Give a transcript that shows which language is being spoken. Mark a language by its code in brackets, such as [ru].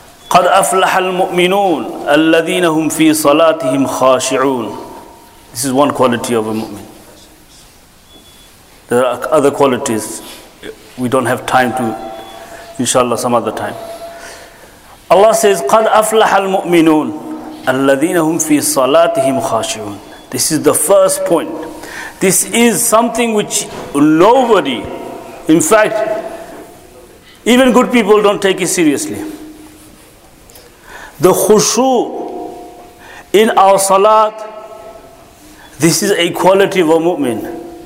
[ar] قد افلح المؤمنون الذين هم في صلاتهم خاشعون. [en] This is one quality of a mu'min. There are other qualities. We don't have time to, inshallah, some other time. Allah says, [ar] قَدْ أَفْلَحَ الْمُؤْمِنُونَ الَّذِينَ هُمْ فِي صَلَاتِهِمْ خَاشِعُونَ. [en] This is the first point. This is something which nobody, in fact, even good people don't take it seriously. The khushu in our salat, this is a quality of a mu'min.